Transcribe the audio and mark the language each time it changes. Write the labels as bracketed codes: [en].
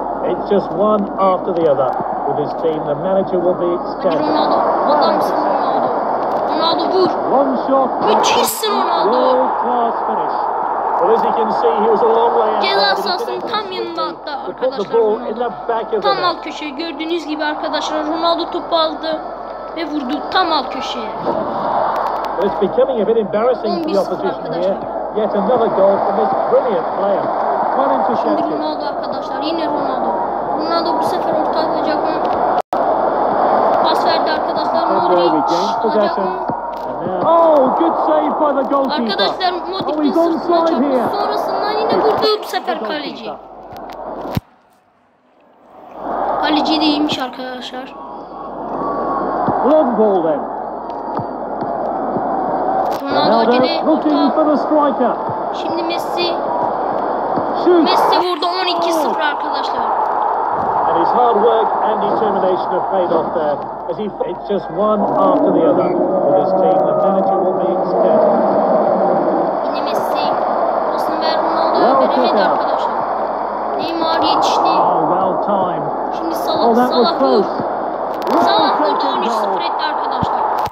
[en] It's just one after the other with his team. The manager will be standing. Ronaldo. What am I saying, Ronaldo? [tr] Ronaldo, vur. [en] One shot. [tr] Müthişsin Ronaldo. [en] World-class finish. Well, as you can see, he was a long way out. [tr] Ceza sahasının tam yanında attı arkadaşlar. Tam alt köşeye. Gördüğünüz gibi arkadaşlar, Ronaldo topu aldı ve vurdu tam alt köşeye. [en] Well, it's becoming a bit embarrassing for the opposition here. Yet another goal from this brilliant player. [tr] Şimdi Ronaldo arkadaşlar, yine Ronaldo. Ronaldo bu sefer orta atacak mı? Pas verdi arkadaşlar, Modric alacak mı? [en] Oh, good save by the goalkeeper. [tr] Arkadaşlar Modric'in sırtına çarptı. Sonrasından yine vurdu bu sefer kaleci. Kaleci değilmiş arkadaşlar. [en] Long ball then. [tr] Ronaldo acele. [en] Looking for the striker. [tr] Şimdi Messi. Messi vurdu, 12-0 arkadaşlar. [en] And his hard work and determination have paid off there. As he it's just one after the other with his team. The manager will be expected. [tr] Yine Messi. Pasını ver Ronaldo'ya, veremedi arkadaşlar. Neymar yetişti. [en] Oh, well timed. [tr] Şimdi Salah vur. Salah vurdu, 13-0 etti arkadaşlar.